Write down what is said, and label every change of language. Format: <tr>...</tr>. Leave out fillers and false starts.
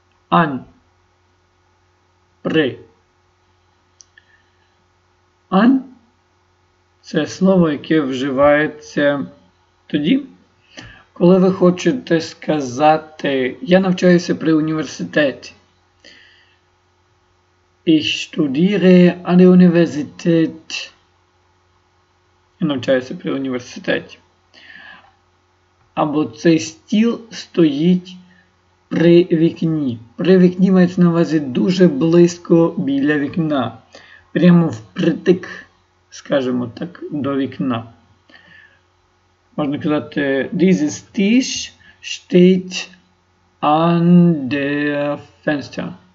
<uk>Ан. При. Ан – це слово, яке вживається тоді, коли ви хочете сказати «Я навчаюся при університеті».</uk> <de>Ich studiere an der Universität.</de> <uk>Я навчаюся при університеті. Або цей стіл стоїть при вікні. При вікні мається на увазі дуже близько біля вікна. Прямо впритик, скажімо так, до вікна.</uk> <de>Можна казати «Dieses Tisch steht an der Fenster».</de>